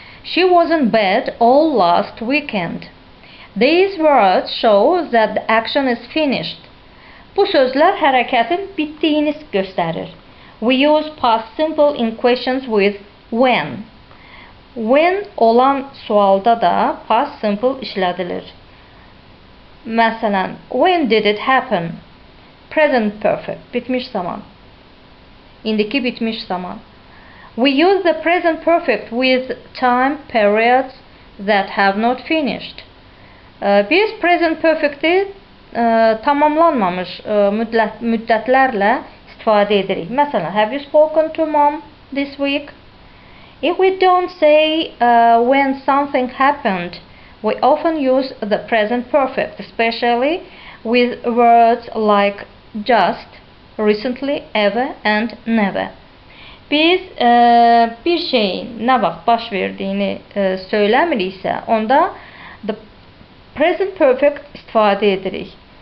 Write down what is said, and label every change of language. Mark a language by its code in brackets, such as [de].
[en] She was in bed all last weekend. These words show that the action is finished. [az] Bu sözlər hərəkətin bittiyini göstərir. [en] We use past simple in questions with when. [az] When olan sualda da past simple işlədilir. Məsələn, [en] when did it happen? [az] Present perfect, bitmiş zaman. İndiki bitmiş zaman. [en] We use the present perfect with time periods that have not finished. [az] Biz present perfect-i tamamlanmamış müddətlərlə istifadə edirik. Məsələn, [en] have you spoken to mom this week? If we don't say when something happened, we often use the present perfect, especially with words like just, recently, ever and never. [az] Biz bir şeyin nə vaxt baş verdiyini söyləmiriksə, onda the present perfect istifadə edirik.